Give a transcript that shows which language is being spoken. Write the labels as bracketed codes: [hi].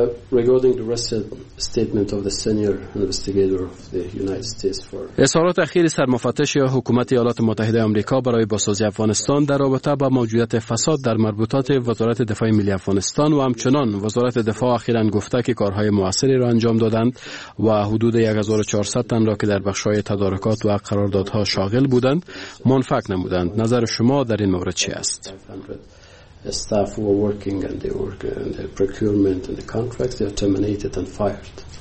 [en] Regarding the recent statement of the senior investigator of the United States for [fa] اظهارات اخیر سرمفتش یا حکومت ایالات متحده آمریکا برای بازسازی افغانستان در رابطه با موجودیت فساد در مربوطات وزارت دفاع ملی افغانستان و همچنان وزارت دفاع اخیراً گفته که کارهای مؤثری را انجام دادند و حدود 1400 تن را که در بخش‌های تدارکات و قراردادها شاغل بودند منفک نمودند. نظر شما در این مورد چی است؟ [en] staff were working and they were in the procurement and the contracts, they were terminated and fired.